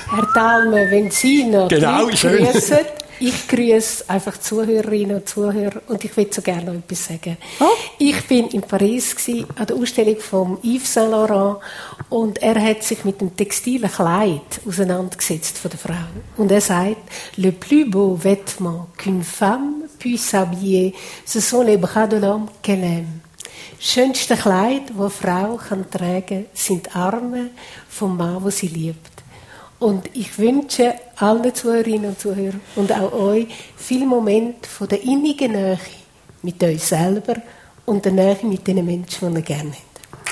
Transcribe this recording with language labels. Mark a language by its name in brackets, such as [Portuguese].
[German] Herr Dahlme, wenn Sie noch grüßen, ich grüße einfach Zuhörerinnen und Zuhörer und ich würde so gerne noch etwas sagen. Oh? Ich war in Paris an der Ausstellung von Yves Saint Laurent und er hat sich mit dem textilen Kleid auseinandergesetzt von der Frau. Und er sagt, [French] le plus beau vêtement qu'une femme puisse habiller, ce sont les bras de l'homme qu'elle aime. [German] Das schönste Kleid, das eine Frau tragen kann, sind die Arme vom Mann, den sie liebt. Und ich wünsche allen Zuhörerinnen und Zuhörern und auch euch viele Momente von der innigen Nähe mit euch selber und der Nähe mit den Menschen, die ihr gerne habt.